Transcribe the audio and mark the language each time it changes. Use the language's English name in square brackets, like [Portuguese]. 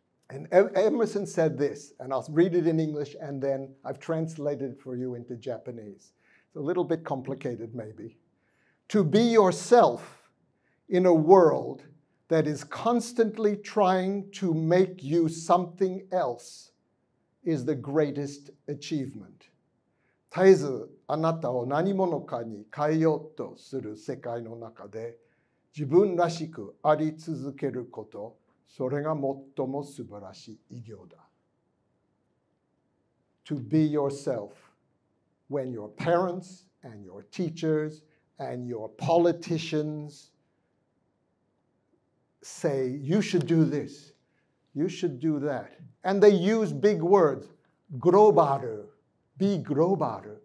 [English] And Emerson said this, and I'll read it in English, and then I've translated it for you into Japanese. It's a little bit complicated, maybe. To be yourself in a world that is constantly trying to make you something else is the greatest achievement. [Japanese] 絶えずあなたを何者かに変えようとする世界の中で自分らしくあり続けること それが最も素晴らしい偉業だ. [English] To be yourself when your parents and your teachers and your politicians say, you should do this, you should do that. And they use big words, global, be global.